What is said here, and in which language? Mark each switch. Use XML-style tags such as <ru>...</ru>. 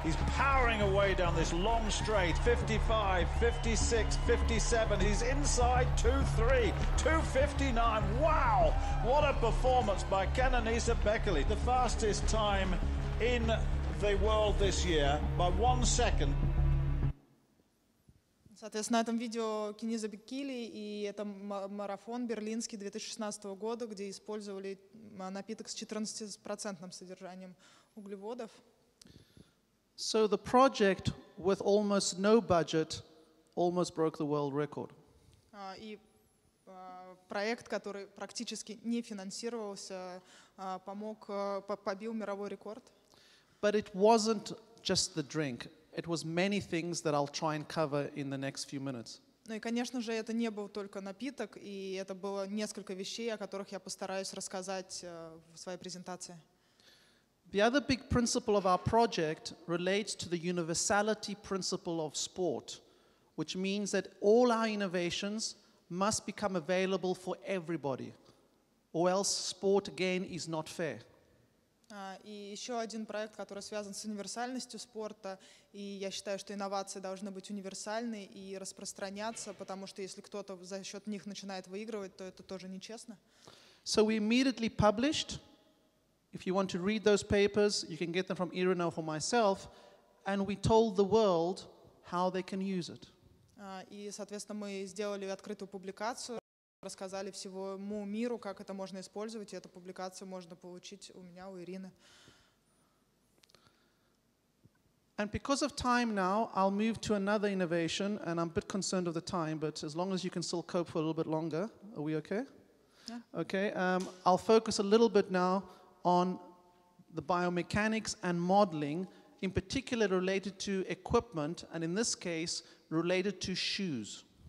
<en>He's powering away down this long straight, 55, 56, 57. He's inside 2-3, 2-59. Wow, what a performance by Kenenisa Bekele. The fastest time in the world this year by 1 second.</en> <ru>Соответственно, на этом видео Кенниса Бекеле, и это марафон берлинский 2016 года, где использовали напиток с 14% содержанием углеводов.</ru> <en>So the project with almost no budget almost broke the world record.</en> <ru>И проект, который практически не финансировался, помог, побил мировой рекорд.</ru> <en>But it wasn't just the drink. It was many things that I'll try and cover in the next few minutes.</en> <ru>Ну и, конечно же, это не был только напиток, и это было несколько вещей, о которых я постараюсь рассказать в своей презентации.</ru> <en>The other big principle of our project relates to the universality principle of sport, which means that all our innovations must become available for everybody, or else sport again is not fair.</en> <ru>И еще один проект, который связан с универсальностью спорта, и я считаю, что инновации должны быть универсальны и распространяться, потому что если кто-то за счет них начинает выигрывать, то это тоже нечестно.</ru> <en>So we immediately published, if you want to read those papers, you can get them from Irina or myself, and we told the world how they can use it.</en> <ru>И, соответственно, мы сделали открытую публикацию, рассказали всему миру, как это можно использовать, и эту публикацию можно получить у меня, у Ирины.</ru> <en>And because of time now, I'll move to another innovation, and I'm a bit concerned of the time, but as long as you can still cope for a little bit longer, are we okay? Yeah. Okay, I'll focus a little bit now on the biomechanics and modeling, in particular related to equipment, and in this case, related to shoes.</en>